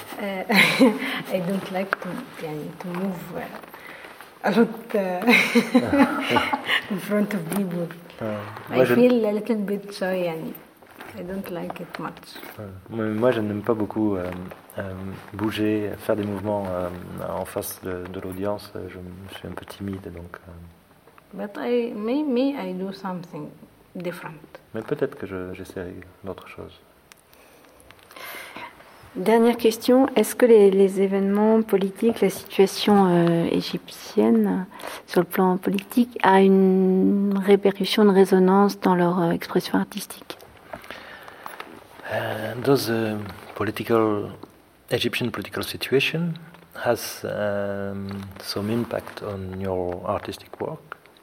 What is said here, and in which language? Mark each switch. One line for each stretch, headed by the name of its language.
English: I don't like to move a lot in front of people. I feel a little bit shy, and I don't like it much.
French: Moi, je n'aime pas beaucoup bouger, faire des mouvements en face de l'audience. Je suis un peu timide, donc.
English: But I do something different.
French: Mais peut-être que j'essaierai d'autres choses. Dernière question, est-ce que les événements politiques, la situation égyptienne sur le plan politique a une répercussion, une résonance dans leur expression artistique?
English: Does the political, Egyptian political situation has some impact on your artistic work?